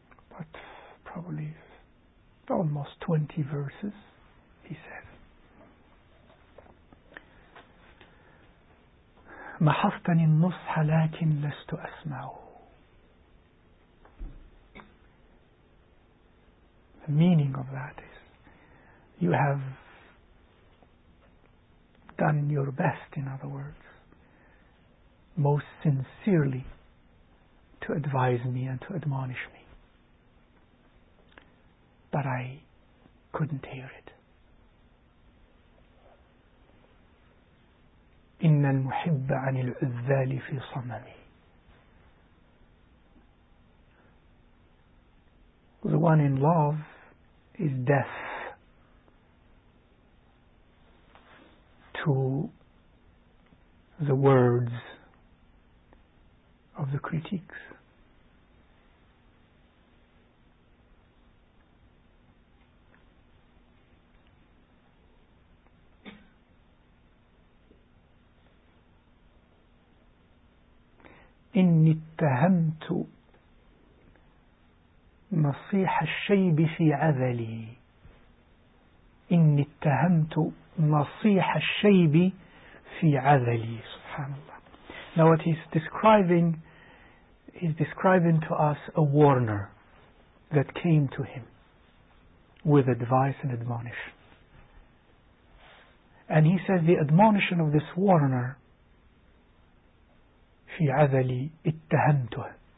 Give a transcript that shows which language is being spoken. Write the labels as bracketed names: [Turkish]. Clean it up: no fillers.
[English] About probably almost 20 verses, he says. [Arabic] محفتني النصح لكن لست أسمعه. [English] The meaning of that is, you have done your best, in other words, most sincerely to advise me and to admonish me, but I couldn't hear it. [Arabic] إن المحب عن العذال في صممي. [English] The one in love is deaf to the words of the critics. [Arabic] إني اتهمت نصيح الشيب في عذلي. إني اتهمت نصيح الشيب في عذلي. سبحان الله. [English] Now what he's describing to us a warner that came to him with advice and admonition. And he says the admonition of this warner, [Arabic] في عذلي اتهمته.